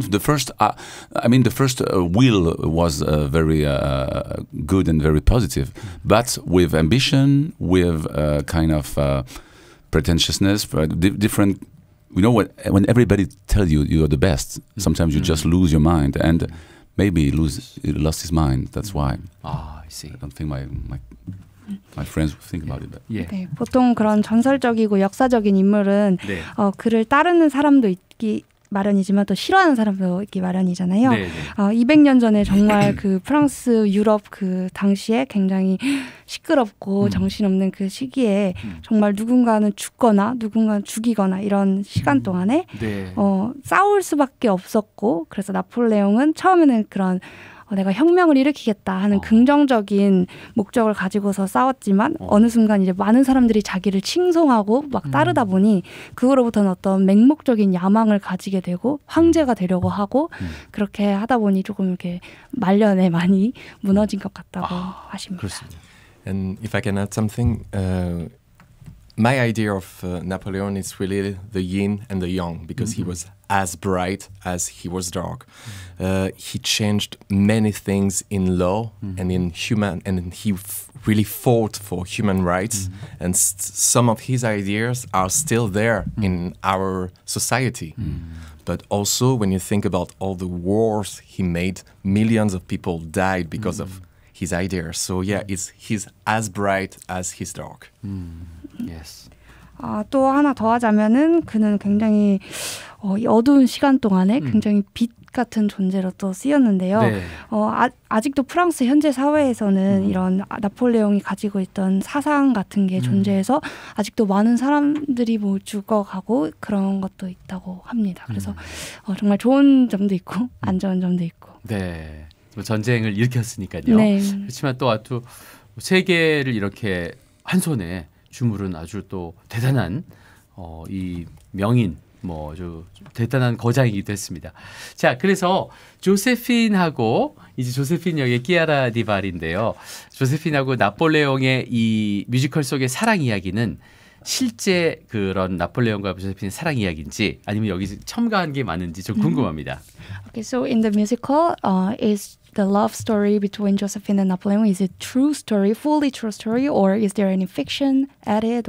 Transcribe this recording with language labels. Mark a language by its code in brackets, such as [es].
[en] The first, the first will was very good and very positive, but with ambition, with kind of pretentiousness, different. You know what? When everybody tells you you are the best, sometimes you just lose your mind, and maybe lost his mind. That's why. I see. I don't think my friends will think about it. But. Yeah. [ko] 네, 보통 그런 전설적이고 역사적인 인물은 네. 그를 따르는 사람도 있기 마련이지만 또 싫어하는 사람도 있기 마련이잖아요. 네, 네. 200년 전에 정말 그 프랑스 유럽 그 당시에 굉장히 시끄럽고 정신없는 그 시기에 정말 누군가는 죽거나 누군가는 죽이거나 이런 시간 동안에 네. 싸울 수밖에 없었고 그래서 나폴레옹은 처음에는 그런 내가 혁명을 일으키겠다 하는 긍정적인 목적을 가지고서 싸웠지만 어느 순간 이제 많은 사람들이 자기를 칭송하고 막 따르다 보니 그거로부터는 어떤 맹목적인 야망을 가지게 되고 황제가 되려고 하고 그렇게 하다 보니 조금 이렇게 말년에 많이 무너진 것 같다고 하십니다. 그렇습니다. [en] And if I can add something, my idea of Napoleon is really the yin and the yang because he was as bright as he was dark. He changed many things in law and in human, and he really fought for human rights. Mm-hmm. And some of his ideas are still there in our society. But also when you think about all the wars he made, millions of people died because of his ideas. So yeah, he's as bright as he's dark. Yes. [ko] 또 하나 더하자면은 그는 굉장히 이 어두운 시간 동안에 굉장히 빛 같은 존재로 또 쓰였는데요. 네. 아직도 프랑스 현재 사회에서는 이런 나폴레옹이 가지고 있던 사상 같은 게 존재해서 아직도 많은 사람들이 뭐 죽어가고 그런 것도 있다고 합니다. 그래서 정말 좋은 점도 있고 안 좋은 점도 있고. 네, 뭐 전쟁을 일으켰으니까요. 네. 그렇지만 또 세계를 이렇게 한 손에 주물은 아주 또 대단한 이 명인 뭐 아주 대단한 거장이기도 했습니다. 자, 그래서 조세핀하고 이제 조세핀 역의 키아라 디발인데요. 조세핀하고 나폴레옹의 이 뮤지컬 속의 사랑 이야기는 실제 그런 나폴레옹과 조세핀의 사랑 이야기인지 아니면 여기 첨가한 게 많은지 좀 궁금합니다. [en] Okay, so in the musical is the love story between Josephine and Napoleon, is it true story, fully true story, or is there any fiction added?